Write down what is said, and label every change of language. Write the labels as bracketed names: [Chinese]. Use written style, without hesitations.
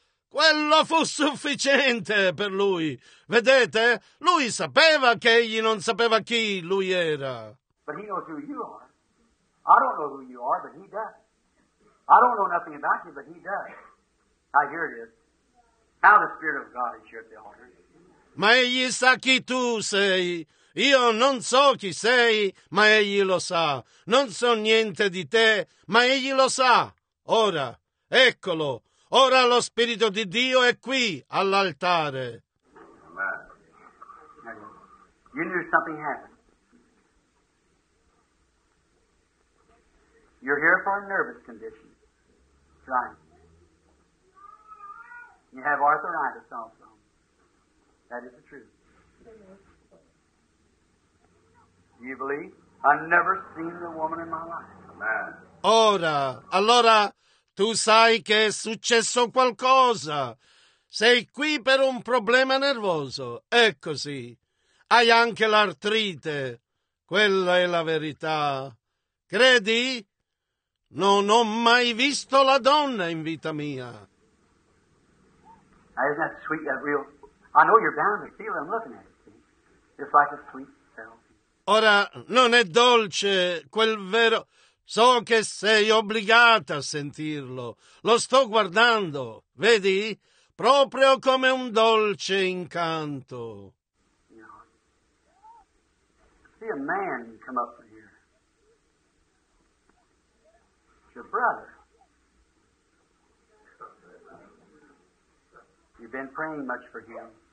[Italian] Quello fu sufficiente per lui. Vedete? Lui sapeva che egli non sapeva chi lui era. [English] But he knows who you are. I don't know who you are, but he does. I don't know nothing about you, but he does. Now, here it is. Now the Spirit of God is here at the altar. [Italian] Ma egli sa chi tu sei. Io non so chi sei, ma egli lo sa. Non so niente di te, ma egli lo sa. Ora, eccolo. Ora lo Spirito di Dio è qui, all'altare. [English] You knew something happened. You're here for a nervous condition. Right. You have arthritis also. That is the truth. Do you believe? I've never seen the woman in my life. [Italian] Ora, allora... Tu sai che è successo qualcosa. Sei qui per un problema nervoso. È così. Hai anche l'artrite. Quella è la verità. Credi? Non ho mai visto la donna in vita mia. [English] Isn't that sweet, that real? I know you're bound to feel it. I'm looking at it. It's like a sweet self. [Italian] Ora, non è dolce quel vero... So che sei obbligata a sentirlo. Lo sto guardando, vedi? Proprio come un dolce incanto. [English] See a man come up from here. It's your brother. You've been praying much for him.